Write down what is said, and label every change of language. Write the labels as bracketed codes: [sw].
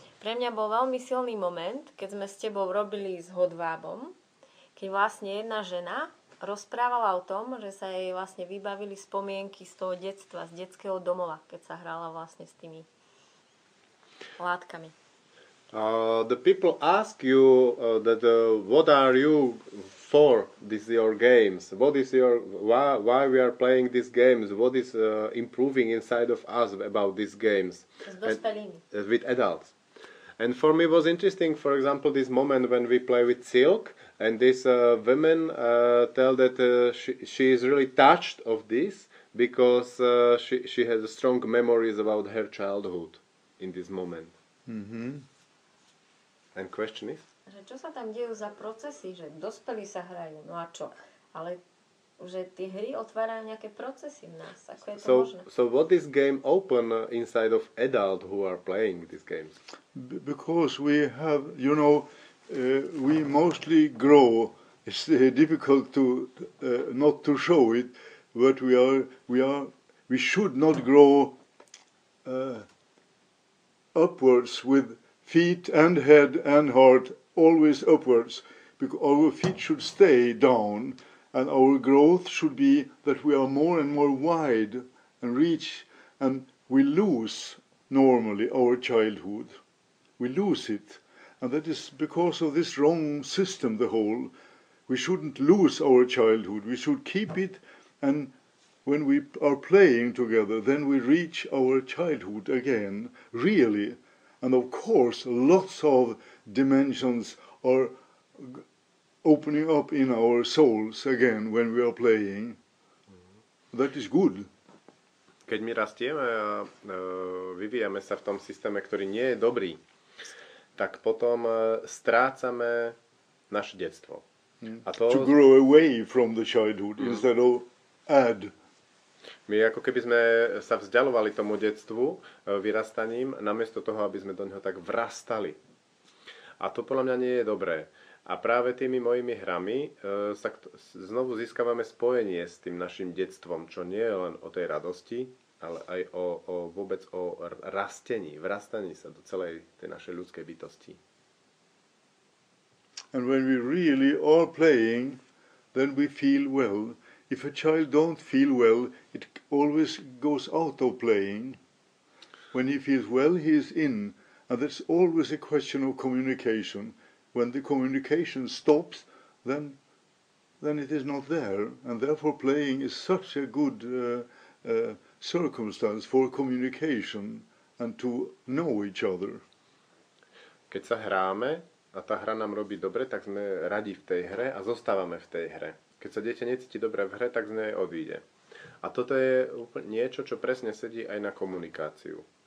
[sk] Pre mňa bol veľmi silný moment, keď sme s tebou robili s Hodvábom, keď vlastne jedna žena rozprávala o tom, že sa jej vlastne vybavili spomienky z toho detstva, z detského domova, keď sa hrala vlastne s tými látkami. [en] The people ask you that what are you for this your games, what is your why we are playing these games, what is improving inside of us about these games with adults. And for me it was interesting, for example, this moment when we play with Silk, and this woman tell that she is really touched of this because she has strong memories about her childhood in this moment. And question is, [sk] že čo sa tam dejú za procesy, že dospelí sa hrajú, no a čo? Ale že tie hry otvárajú nejaké procesy v nás, ako je to [en] so, [sk] možné? [en] So what is game open inside of adult who are playing these games? Because we have, you know, we mostly grow it's difficult to not to show it, but we should not grow upwards with feet and head and heart always upwards, because our feet should stay down, and our growth should be that we are more and more wide and reach, and we lose normally our childhood. We lose it. And that is because of this wrong system, the whole. We shouldn't lose our childhood. We should keep it. And when we are playing together, then we reach our childhood again, really. And of course, lots of dimensions are opening up in our souls again when we are playing. Mm-hmm. That is good. [sk] Keď my rastieme a vyvíjame sa v tom systéme, ktorý nie je dobrý, tak potom strácame naše detstvo. A to [en] to grow away from the childhood instead of add. [sk] My ako keby sme sa vzdialovali tomu detstvu vyrastaním, namiesto toho, aby sme do neho tak vrastali. A to podľa mňa nie je dobré. A práve tými mojimi hrami sa znovu získavame spojenie s tým našim detstvom, čo nie je len o tej radosti, ale aj o vôbec o rastení, vrastaní sa do celej tej našej ľudskej bytosti. [en] And when we really are playing, then we feel well. If a child don't feel well, it always goes out of playing. When he feels well, he is in. And that's always a question of communication. When the communication stops, then it is not there. And therefore playing is such a good circumstance for communication and to know each other. [sk] Keď sa hráme a tá hra nám robí dobre, tak sme radi v tej hre a zostávame v tej hre. Keď sa dieťa necíti dobre v hre, tak z nej odíde. A toto je úplne niečo, čo presne sedí aj na komunikáciu.